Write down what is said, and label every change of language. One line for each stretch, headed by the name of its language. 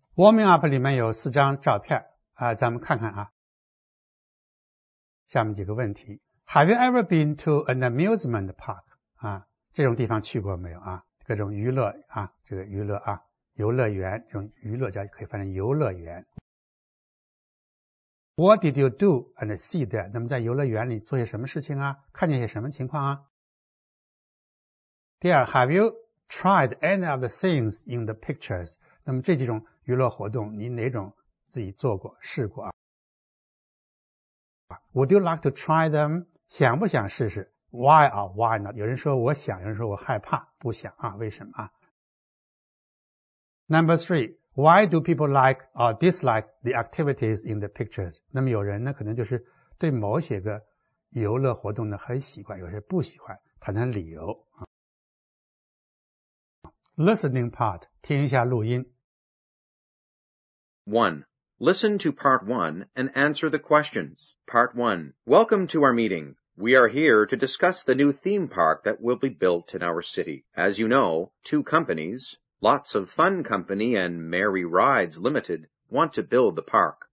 Chinese: Warming Up 里面有四张照片，咱们看看啊。下面几个问题。
English: Have you ever been to an amusement park?
Chinese: 这种地方去过没有啊？各种娱乐啊，这个娱乐啊，游乐园，这种娱乐叫可以翻成游乐园。
English: What did you do and see there?
Chinese: 那么在游乐园里做些什么事情啊？看见些什么情况啊？
English: 第二 ,Have you tried any of the things in the pictures?
Chinese: 那么这几种娱乐活动你哪种自己做过试过啊？
English: Would you like to try them?
Chinese: 想不想试试？
English: Why or why not?
Chinese: 有人说我想，有人说我害怕，不想啊，为什么啊？
English: Number three,Why do people like or dislike the activities in the pictures?
Chinese: 那么有人呢，可能就是对某些个游乐活动呢很喜欢，有些不喜欢，谈谈理由。
English: Listening part,
Chinese: 听一下录音。 1.
English: Listen to part 1 and answer the questions. Part 1. Welcome to our meeting. We are here to discuss the new theme park that will be built in our city. As you know, two companies,Lots of Fun Company and Merry Rides Limited want to build the park.